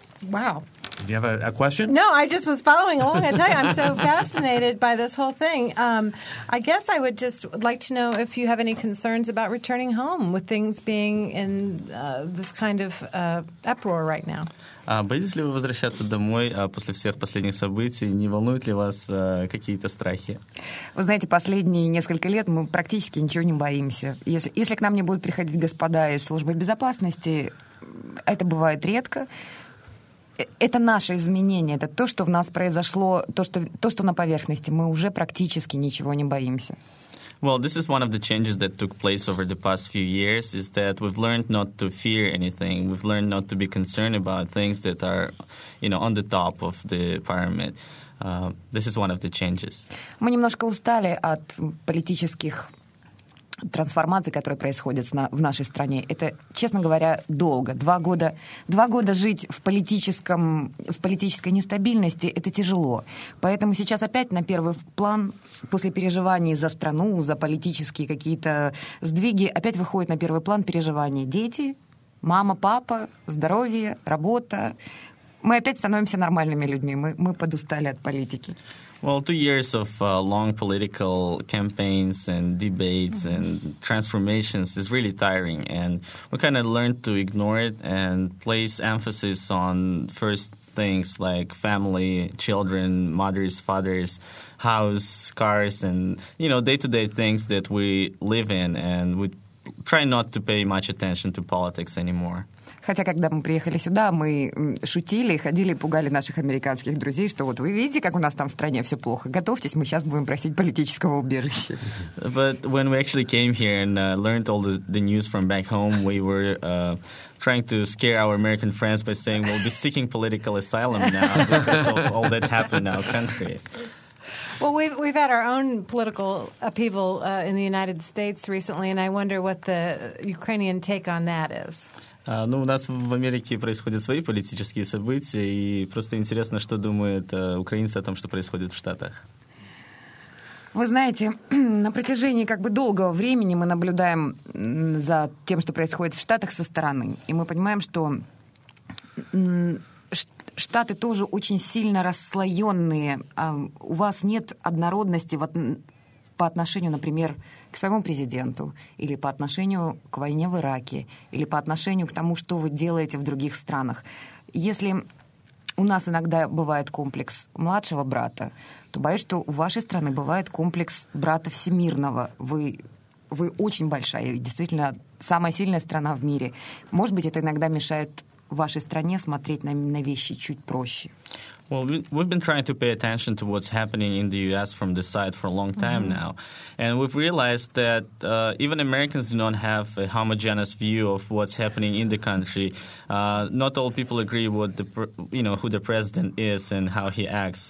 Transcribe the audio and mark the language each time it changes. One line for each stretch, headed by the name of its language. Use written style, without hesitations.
English: Wow. Do you have a question? No, I just was following along. I tell you, I'm so fascinated by this whole thing. I guess I would just like to know if you have any concerns about returning home with things being in this kind of uproar right now.
Russian: Боїтесь ли ви возвращаться домой после всех последних событий? Не волнуют ли вас какие-то страхи? Вы знаете, последние несколько лет мы практически ничего не боимся. Если к нам не будут приходить господа из службы безопасности, это бывает редко. Это наше изменение, это то, что в нас произошло, то, что на поверхности. Мы уже практически ничего не боимся.
English: Well, this is one of the changes that took place over the past few years, is that we've learned not to fear anything. We've learned not to be concerned about things that are, you know, on the top of the pyramid. This is one of the changes.
Russian: Мы немножко устали от политических трансформации, которая происходит в нашей стране. Это, честно говоря, долго. Два года жить в политической нестабильности – это тяжело. Поэтому сейчас опять на первый план, после переживаний за страну, за политические какие-то сдвиги, опять выходит на первый план переживания. Дети, мама, папа, здоровье, работа. Мы опять становимся нормальными людьми. Мы подустали от политики.
English: Well, 2 years of long political campaigns and debates and transformations is really tiring. And we kind of learned to ignore it and place emphasis on first things like family, children, mothers, fathers, house, cars, and, you know, day-to-day things that we live in. And we try not to pay much attention to politics anymore.
Russian: Хотя, когда мы приехали сюда, мы шутили, ходили, пугали наших американских друзей, что вот вы видите, как у нас там в стране все плохо. Готовьтесь, мы сейчас будем просить политического убежища.
English: But when we actually came here and learned all the news from back home, we were trying to scare our American friends by saying, we'll be seeking political asylum now because of all that happened in our country. Well, we've had our own political upheaval in the United States recently, and I wonder what the Ukrainian take on that is.
Russian: Ну, у нас в Америке происходят свои политические события, и просто интересно, что думают украинцы о том, что происходит в Штатах. Вы знаете, на протяжении как бы долгого времени мы наблюдаем за тем, что происходит в Штатах со стороны, и мы понимаем, что Штаты тоже очень сильно расслоенные. У вас нет однородности по отношению, например, к своему президенту, или по отношению к войне в Ираке, или по отношению к тому, что вы делаете в других странах. Если у нас иногда бывает комплекс младшего брата, то боюсь, что у вашей страны бывает комплекс брата всемирного. Вы очень большая, действительно, самая сильная страна в мире. Может быть, это иногда мешает вашей стране смотреть на вещи чуть проще.
English: Well, we've been trying to pay attention to what's happening in the U.S. from the side for a long time now. And we've realized that even Americans do not have a homogeneous view of what's happening in the country. Not all people agree what who the president is and how he acts.